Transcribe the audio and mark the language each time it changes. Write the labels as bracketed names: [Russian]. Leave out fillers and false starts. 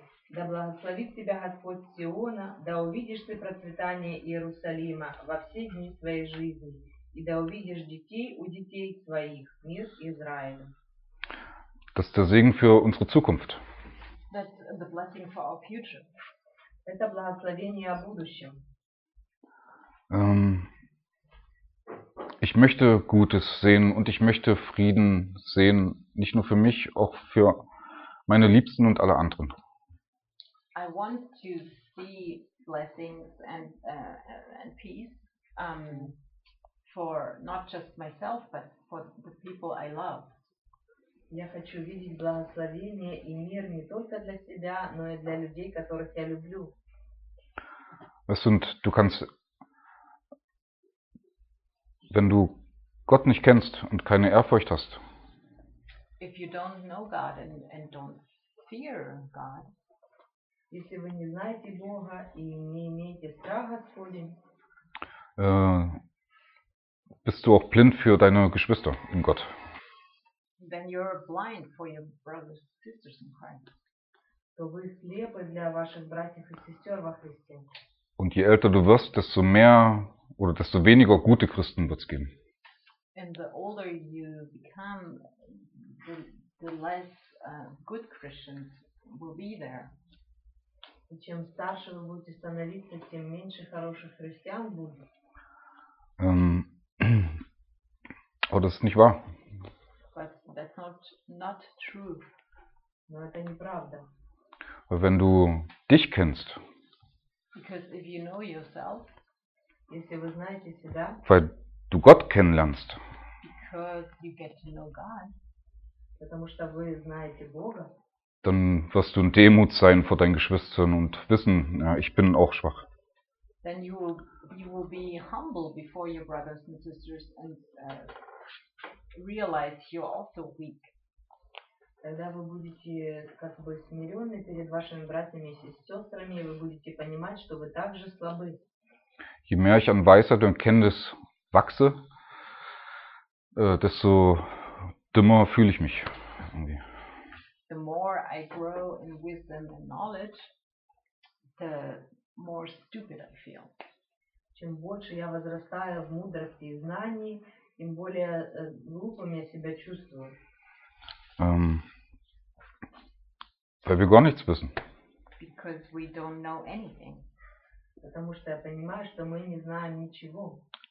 [Russian] Да благословит тебя Господь Сиона, да увидишь ты процветание Иерусалима во все дни твоей жизни и да увидишь детей у детей твоих, мир Израилю. [German] Das ist der Segen für unsere Zukunft. [English] That's the blessing for our future. [Russian] Это благословение о будущем. [German] Ich möchte Gutes sehen und ich möchte Frieden sehen, nicht nur für mich, auch für meine Liebsten und alle anderen. [English] I want to see blessings and peace for not just myself, but for the people I love. [Russian] Я хочу видеть благословение и мир не только для себя, но и для людей, которых я люблю. [German] Und du kannst, wenn du Gott nicht kennst und keine Ehrfurcht hast. [English] If you don't know God and don't fear God. [Russian] Если вы не знаете Бога и не имеете страха Господень. [German] Bist du auch blind für deine Geschwister in Gott? [English] Then you're blind for your brothers and sisters in Christ. [Russian] То вы слепы для ваших братьев и сестер во Христе. [German] Und je älter du wirst, desto mehr oder desto weniger gute Christen wird es geben. [English] And the older you become, the less good Christians will be there. [Russian] И чем старше вы будете становиться, тем меньше хороших христиан будет. [German] Aber das ist nicht wahr. [English] But that's not true. [Russian] Но это неправда. [German] Weil wenn du dich kennst, [English] because if you know yourself, [Russian] если вы знаете себя, [German] weil du Gott kennenlernst, [English] because you get to know God, [Russian] потому что вы знаете Бога, [German] dann wirst du in Demut sein vor deinen Geschwistern und wissen, ja, ich bin auch schwach. [English] Then you will be humble before your brothers and sisters and realize you're also weak. [Russian] Тогда вы будете как бы смиренны перед вашими братьями и сестрами, и вы будете понимать, что вы также слабы. [German] Je mehr ich an Weisheit und Kenntnis wachse, desto dümmer fühle ich mich irgendwie. [English] The more I grow in wisdom and knowledge, the more stupid I feel. [Russian] Чем больше я возрастаю в мудрости и знании, тем более глупым я себя чувствую. [German] Weil wir gar nichts wissen. [English] Because we don't know anything. [Russian] Потому что я понимаю, что мы не знаем ничего.